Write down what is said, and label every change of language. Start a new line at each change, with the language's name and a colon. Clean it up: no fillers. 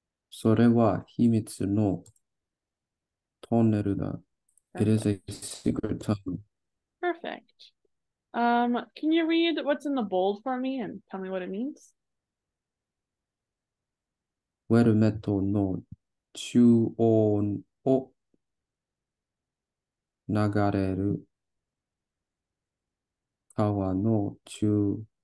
Japanese: それは秘密のトンネルだ。
English: It is a secret tunnel. Perfect. Can you read what's in the bold for me and tell me what it means?
Japanese: ウェルメットの中央を流れる川の中